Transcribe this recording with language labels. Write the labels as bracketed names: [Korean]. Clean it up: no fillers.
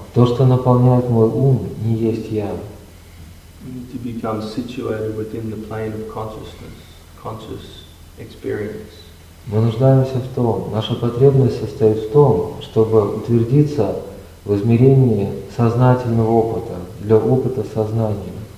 [Russian] То, что наполняет мой ум, не есть я. [English] To become situated within the plane of consciousness, conscious experience. [Russian] Мы нуждаемся в том, наша потребность состоит в том, чтобы утвердиться в измерении сознательного опыта, для опыта сознания.